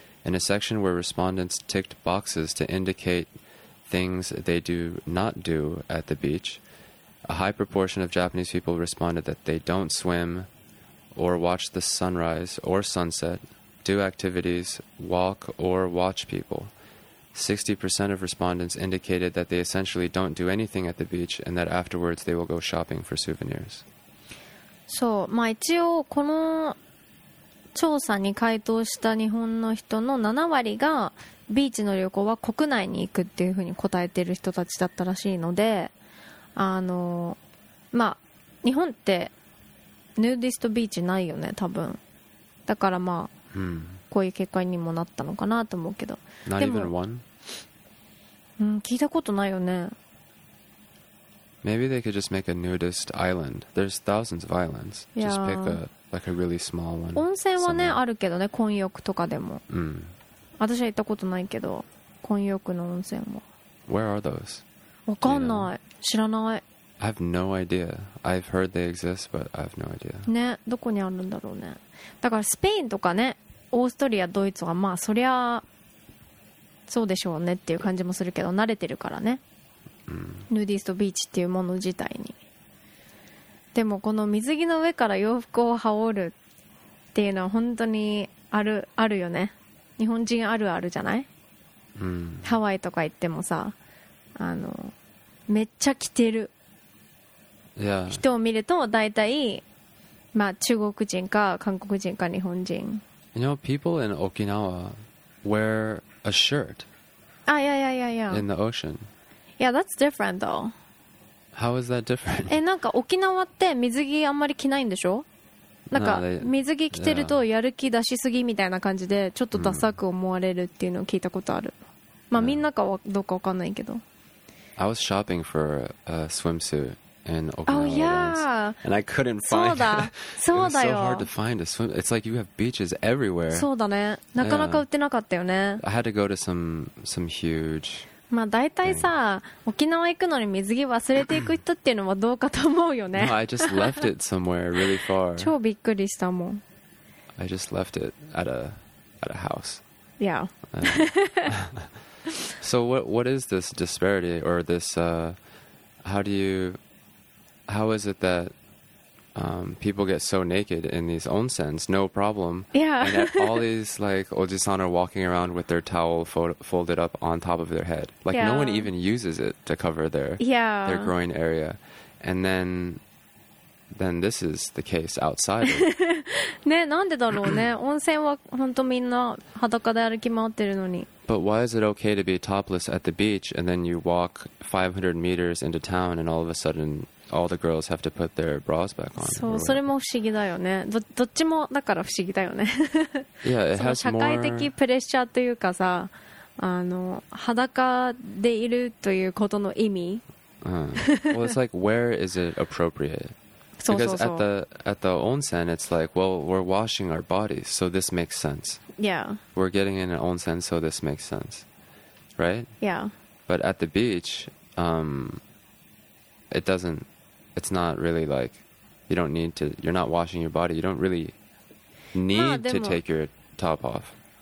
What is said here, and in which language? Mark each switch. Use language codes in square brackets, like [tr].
[en] In a section where respondents ticked boxes to indicate things they do not do at the beach, a high proportion of Japanese people responded that they don't swim or watch the sunrise or sunset, do activities, walk or watch people. 60% of respondents indicated that they essentially don't do anything at the beach and that afterwards they will go shopping for souvenirs. [ja] そう、まあ一応この調査に回答した日本の人の7割がビーチの旅行は国内に行くっていうふうに答えてる人たちだったらしいので、まあ日本ってヌーディストビーチないよね、多分。だからまあ。うん。こういう結果にもなったのかなと思うけど、でも、うん、聞いたことないよね。 [en] Maybe they could just make a nudist island. There's thousands of islands. Just pick a like a really small one. [ja] 温泉はねあるけどね、混浴とかでも。うん。私は行ったことないけど、混浴の温泉は。 [en] Where are those? [ja] わかんない。知らない。 [en] I have no idea. I've heard they exist, but I have no idea. [ja] ね、どこにあるんだろうね。だからスペインとかね。オーストリア、ドイツはまあそりゃそうでしょうねっていう感じもするけど、慣れてるからね、ヌーディストビーチっていうもの自体に。でもこの水着の上から洋服を羽織るっていうのは本当にあるよね。日本人あるあるじゃない、うん、ハワイとか行ってもさ、めっちゃ着てる人を見ると大体、まあ、中国人か韓国人か日本人。 [en] You know, people in Okinawa wear a shirt. Ah, yeah, yeah, yeah, yeah. In the ocean. Yeah, that's different, though. How is that different? [ja] え、なんか沖縄って水着あんまり着ないんでしょ？なんか水着着てるとやる気出しすぎみたいな感じでちょっとダサく思われるっていうのを聞いたことある。まあ、みんなかどうかわかんないけど。 [en] I was shopping for a swimsuit. In Okinawa, oh yeah, and I couldn't find it. [ja] そうだよ。 [en] It was so hard to find a swim. It's like you have beaches everywhere. [ja] そうだね。なかなか売ってなかったよね。 [en] I had to go to some huge. [ja] まあだいたいさ、沖縄行くのに水着忘れていく人っていうのはどうかと思うよね。 [en] No, I just left it somewhere really far. [ja] 超びっくりしたもん。 [en] I just left it at a house. Yeah. So what is this disparity or this how do you How is it that people get so naked in these onsens? No problem. Yeah. And all these like ojisan are walking around with their towel folded up on top of their head. Like no one even uses it to cover their groin area. And then this is the case outside. [ja] ね、なんでだろうね。温泉は本当みんな裸で歩き回ってるのに。 [en] But why is it okay to be topless at the beach and then you walk 500 meters into town and all of a sudden... all the girls have to put their bras back on. [ja] そう、それも不思議だよね。どっちもだから不思議だよね。 [en] Yeah, it has more... [ja] 社会的プレッシャーというかさ、あの、裸でいるということの意味。 [en] Well, it's like, where is it appropriate? Because at the onsen, it's like, well, we're washing our bodies, so this makes sense. Yeah. We're getting in an onsen, so this makes sense. Right? Yeah. But at the beach, it's not really like, you don't need to, you're not washing your body. You don't really need to take your top off.